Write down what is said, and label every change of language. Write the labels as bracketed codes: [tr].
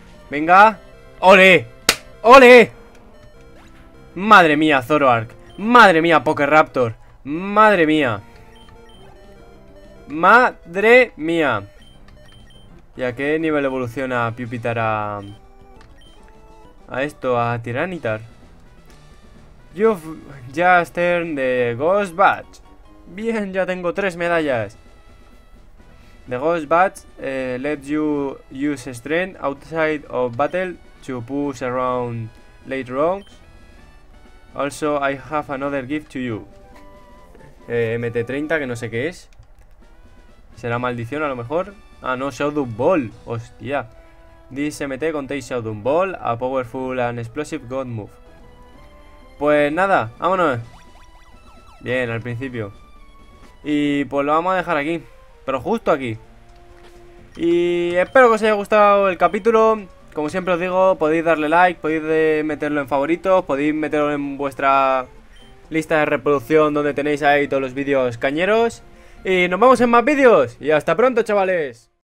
[es] Venga. ¡Ole! ¡Ole! ¡Madre mía, Zoroark! ¡Madre mía, Pokeraptor! ¡Madre mía! ¡Madre mía! ¿Y a qué nivel evoluciona Pupitar a esto, a Tiranitar? [en] You've just earned the Ghost Badge. [es] Bien, ya tengo 3 medallas. [en] The Ghost Badge lets you use strength outside of battle to push around late rounds. Also, I have another gift to you. [es] MT30, que no sé qué es. ¿Será maldición a lo mejor? Ah, no, Shadow Ball. Hostia. [en] This MT contains Shadow Ball, a powerful and explosive God move. [es] Pues nada, vámonos. Bien, al principio. Y pues lo vamos a dejar aquí. Pero justo aquí. Y espero que os haya gustado el capítulo. Como siempre os digo, podéis darle like, podéis meterlo en favoritos, podéis meterlo en vuestra lista de reproducción donde tenéis ahí todos los vídeos cañeros. Y nos vemos en más vídeos. Y hasta pronto, chavales.